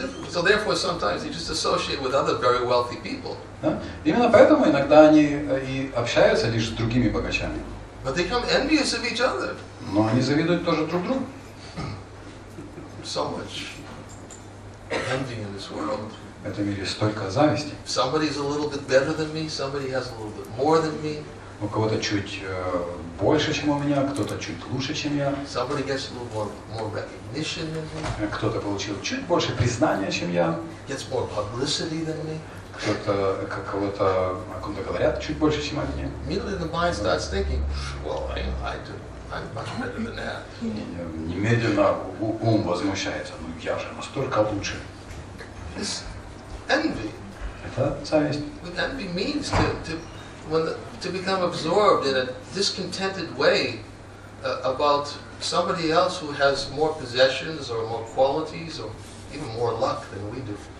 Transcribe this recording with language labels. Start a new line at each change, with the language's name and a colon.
English: So therefore, sometimes they just associate with other very wealthy people.
Russian: Да? Именно поэтому иногда они и общаются лишь с другими богачами.
English: But they become envious of each other.
Russian: Но они завидуют тоже друг другу.
English: So much envy in this world.
Russian: В этом мире столько зависти.
English: Somebody is a little bit better than me. Somebody has a little bit more than me.
Russian: У кого-то чуть больше, чем у меня, кто-то чуть лучше, чем я.
English: Somebody gets a little more recognition than me.
Russian: Кто-то получил чуть больше признания, чем я.
English: Gets more publicity than me.
Russian: Кто-то, как кого-то, о ком-то говорят чуть больше, чем о мне.
English: Immediately the mind starts thinking, well, I'm much better than that.
Russian: Немедленно ум возмущается, ну я же настолько лучше.
English: It's envy.
Russian: Это зависть.
English: What envy means to become absorbed in a discontented way about somebody else who has more possessions or more qualities or even more luck than we do.